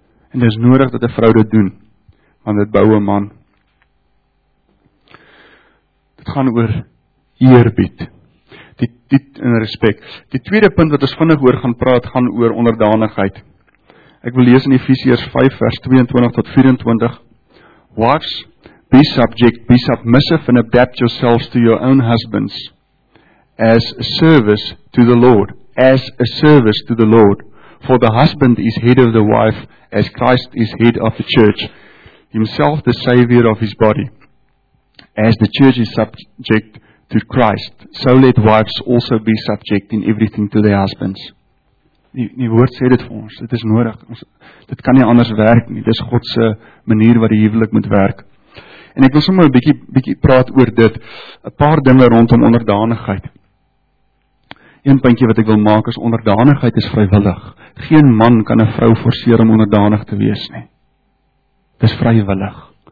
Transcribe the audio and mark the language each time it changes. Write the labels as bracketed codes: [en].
[af] En dit is nodig dat 'n vrou dit doen, want dit bou 'n man. Dit gaan oor eerbied. Die in respek. Die tweede punt wat ons vinnig oor gaan praat, gaan oor onderdanigheid. Ek wil lees in Efesiërs 5 vers 22 tot 24. [en] Wives, be subject, be submissive and adapt yourselves to your own husbands as a service to the Lord. As a service to the Lord. For the husband is head of the wife as Christ is head of the church. Himself the savior of his body. As the church is subject to Christ, so let wives also be subject in everything to their husbands. [af] Die woord sê dit vir ons, dit is nodig. Dit kan nie anders werk nie, dit is Godse manier wat die huwelik moet werk. En ek wil sommer 'n bietjie praat oor dit, 'n paar dinge rondom onderdanigheid. Een puntjie wat ek wil maak is, onderdanigheid is vrywillig. Geen man kan 'n vrou forceer om onderdanig te wees nie. Dit is vrywillig.